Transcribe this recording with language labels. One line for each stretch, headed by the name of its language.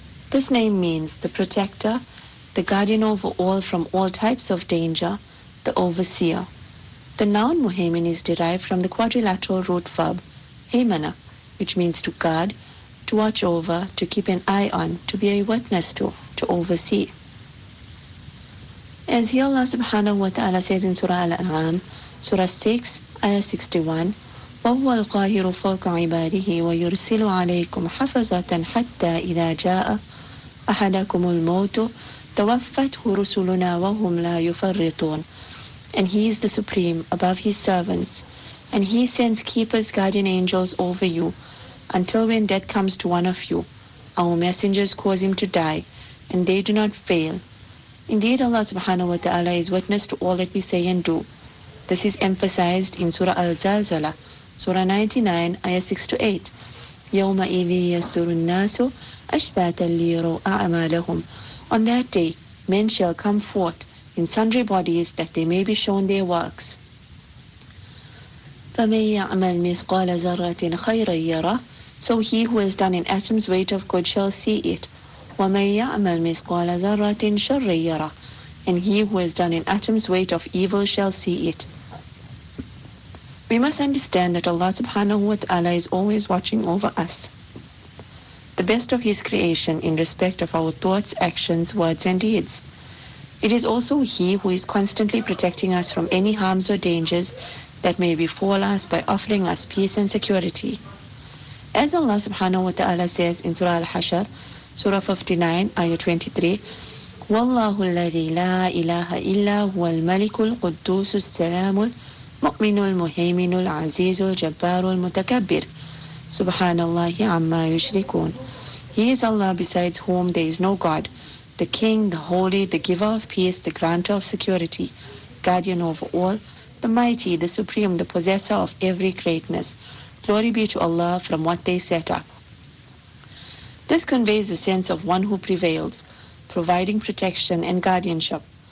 English: This name means the protector, the guardian over all from all types of danger, the overseer. The noun Muhaymin is derived from the quadrilateral root verb Haymana, which means to guard, to watch over, to keep an eye on, to be a witness to oversee. As here Allah subhanahu wa ta'ala says in Surah Al-An'am, Surah 6, Ayah 61,
Arabic: وَهُوَ الْقَاهِرُ فَوْقَ عِبَادِهِ وَيُرْسِلُ عَلَيْكُمْ حَفَظَةً حَتَّى إِذَا جَاءَ أَحَدَكُمُ الْمَوْتُ تَوَفَّتْهُ رُسُلُنَا وَهُمْ لَا يُفَرِّطُونَ.
English: And he is the supreme above his servants. And he sends keepers, guardian angels over you until when death comes to one of you. Our messengers cause him to die, and they do not fail. Indeed, Allah subhanahu wa ta'ala is witness to all that we say and do. This is emphasized in Surah Al-Zalzala, Surah 99, Ayah 6-8.
Arabic: يَوْمَ إِذِي يَسْتُرُ النَّاسُ أَشْتَاتًا لِيَرُوا أَعْمَالَهُمْ.
English: On that day, men shall come forth in sundry bodies, that they may be shown their works.
Arabic: فَمَنْ يَعْمَلْ مِثْقَالَ زَرَّةٍ خَيْرًا يَرَهُ.
English: So he who has done an atom's weight of good shall see it.
Arabic: وَمَنْ يَعْمَلْ مِثْقَالَ زَرَّةٍ شَرًّا يَرَهُ.
English: And he who has done an atom's weight of evil shall see it. We must understand that Allah subhanahu wa ta'ala is always watching over us, the best of his creation, in respect of our thoughts, actions, words and deeds. It is also he who is constantly protecting us from any harms or dangers that may befall us by offering us peace and security. As Allah subhanahu wa ta'ala says in Surah Al-Hashr, Surah 59, Ayah 23,
Arabic: وَاللَّهُ الَّذِي لَا إِلَهَ إِلَّا هُوَ الْمَلِكُ الْقُدُّوسُ السَّلَامُ الْمُؤْمِنُ الْمُهَيْمِنُ الْعَزِيزُ الْجَبَّارُ الْمُتَكَبِّرُ سُبْحَانَ اللَّهِ عَمَّا يُشْرِكُونَ.
English: He is Allah besides whom there is no God, the King, the Holy, the Giver of Peace, the Granter of Security, Guardian over all, the Mighty, the Supreme, the Possessor of every greatness. Glory be to Allah from what they set up. This conveys the sense of one who prevails, providing protection and guardianship,